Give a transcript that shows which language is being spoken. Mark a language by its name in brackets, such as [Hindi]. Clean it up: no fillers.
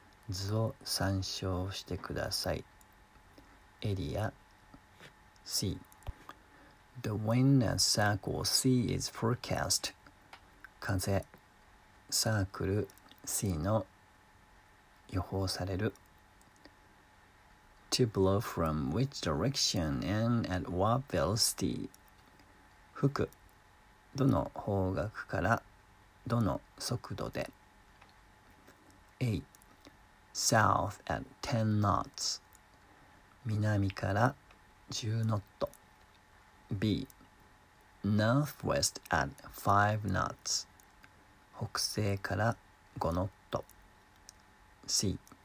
[Japanese] 図を参照してください。エリア C. [English] The wind at circle C is forecast. [Japanese] 風サークル C の予報される。 [English] To blow from which direction and at what velocity? [Japanese] 吹く。どの方角からどの速度で。 [English] A. South at 10 knots. [Japanese] 南から10ノット。B. [English] Northwest at 5 knots. [Japanese] 北西から5ノット。 [English] C.